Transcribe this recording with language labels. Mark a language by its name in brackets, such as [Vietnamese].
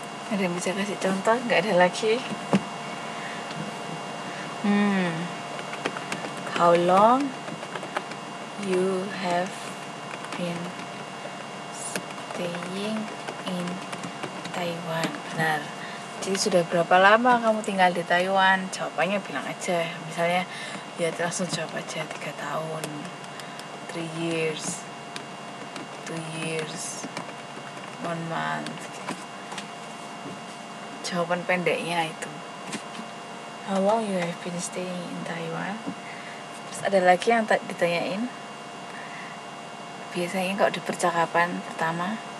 [Indonesian] Ada yang bisa kasih contoh? Gak ada lagi. [English] How long you have been staying in Taiwan? [Indonesian] Benar. Jadi sudah berapa lama kamu tinggal di Taiwan? Jawabannya bilang aja. Misalnya, ya langsung jawab aja 3 tahun, [English] 3 years, 2 years, 1 month. [Indonesian] Jawaban pendeknya itu. [English] How long you have been staying in Taiwan? [Indonesian] Terus ada lagi yang tak ditanyain. Biasanya kalau di percakapan pertama.